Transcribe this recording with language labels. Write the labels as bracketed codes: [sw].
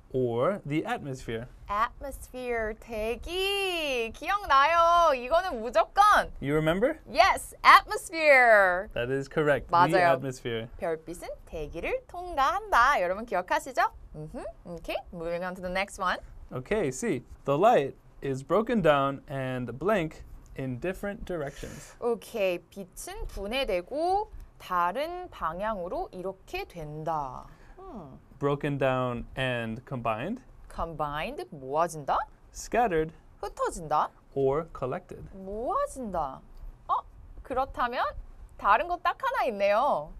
[en] Or the atmosphere? [ko] Atmosphere, 대기! 기억나요! 이거는 무조건! [en] You remember? Yes! Atmosphere! That is correct. [ko] 맞아요. [en] The atmosphere. [ko] 별빛은 대기를 통과한다. 여러분 기억하시죠? [en] Mm-hmm. Okay, moving on to the next one. Okay, see. The light is broken down and blank in different directions. [ko] Okay, 빛은 분해되고 다른 방향으로 이렇게 된다. [en] Broken down and combined. [ko] Combined, 모아진다. [en] Scattered, [ko] 흩어진다. [en] Or collected. [ko] 모아진다. 어, 그렇다면 다른 거 딱 하나 있네요.